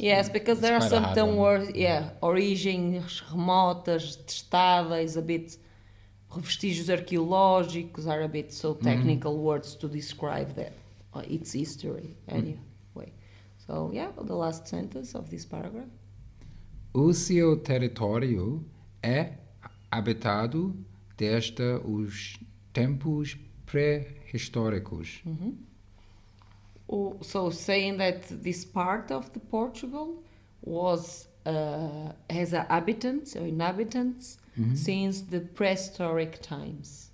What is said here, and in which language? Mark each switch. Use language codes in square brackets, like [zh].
[en] Yes, because it's there are some term words. Yeah, origens remotas, testada is a bit. Vestígios arqueológicos are a bit so technical words to describe that its history. Anyway, so yeah, the last sentence of this paragraph. [pt] O seu território é habitado desde os tempos pré-históricos. [en] So saying that this part of the Portugal was has inhabitants or inhabitants since the prehistoric times.